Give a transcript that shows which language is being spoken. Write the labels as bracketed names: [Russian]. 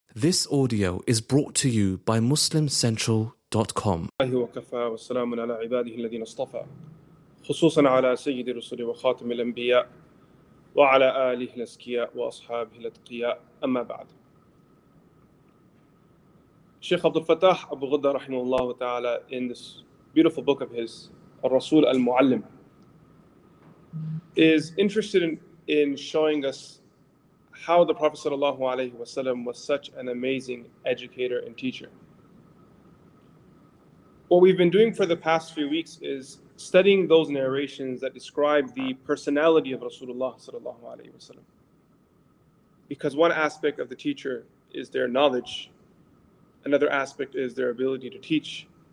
[English] This audio is brought to you by MuslimCentral.com. [Arabic] الله وكفى والسلام على عباده الذين اصطفى خصوصا على سيد الرسل وخاتم الأنبياء وعلى آله الأزكياء وأصحابه الأتقياء أما بعد شيخ عبد الفتاح أبو غدة رحمه الله تعالى [English] in this beautiful book of his [Arabic] الرسول المعلم [English] is interested in showing us how the Prophet sallallahu alayhi wa sallam was such an amazing educator and teacher. What we've been doing for the past few weeks is studying those narrations that describe the personality of Rasulullah sallallahu alayhi wa sallam. Because one aspect of the teacher is their knowledge, another aspect is their ability to teach.